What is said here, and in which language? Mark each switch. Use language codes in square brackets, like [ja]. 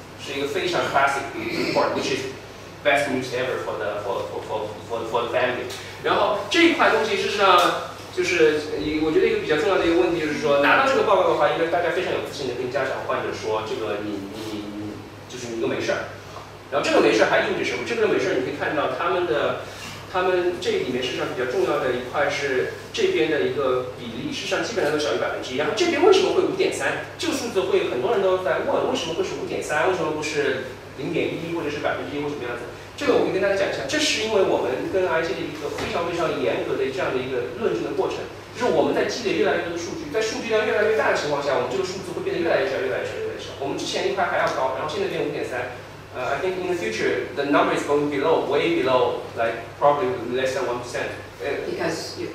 [zh] 是一个非常 [en] classic report, which is best news ever for the family. [zh] 然后这一块东西事实上就是我觉得一个比较重要的一个问题，就是说拿到这个报告的话，应该大家非常有自信的跟家长患者说，这个你都没事。然后这个没事还意味着什么？这个没事你可以看到他们这里面实际上比较重要的一块是这边的一个比例，实际上基本上都小于1%。然后这边为什么会5.3？ 这个数字会很多人都在问，为什么会是5.3？为什么不是0.1或者是1%或什么样子？这个我可以跟大家讲一下，这是因为我们跟 IG 的一个非常非常严格的这样的一个论证的过程，就是我们在积累越来越多的数据，在数据量越来越大的情况下，我们这个数字会变得越来越小，越来越小，越来越小。我们之前一块还要高，然后现在变5.3。 [en] I think in the future, the number is going below, way below, like probably less than 1%.